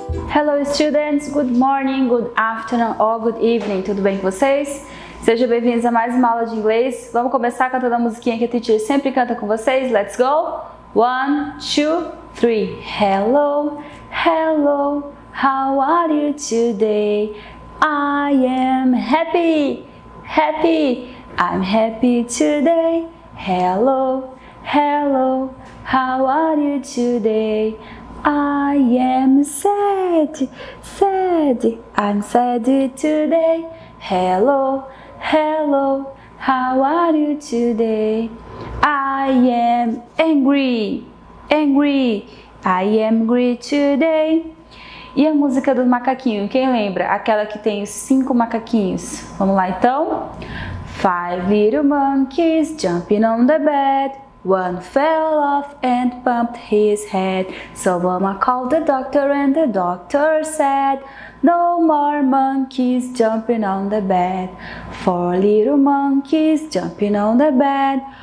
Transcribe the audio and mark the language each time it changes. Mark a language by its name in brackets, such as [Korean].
[English] Hello students, good morning, good afternoon or good evening. [Portuguese] Tudo bem com vocês? Sejam bem-vindos a mais uma aula de inglês. Vamos começar cantando a musiquinha que a teacher sempre canta com vocês. [English] Let's go! One, two, three. Hello, hello, how are you today? I am happy, happy, I'm happy today. Hello, hello, how are you today? I am sad, sad, I'm sad today. Hello, hello, how are you today? I am angry, angry, I am angry today. [Portuguese] E a música do macaquinho, quem lembra? Aquela que tem os cinco macaquinhos. Vamos lá então? [English] Five little monkeys jumping on the bed. One fell off and bumped his head. So mama called the doctor and the doctor said, no more monkeys jumping on the bed. Four little monkeys jumping on the bed.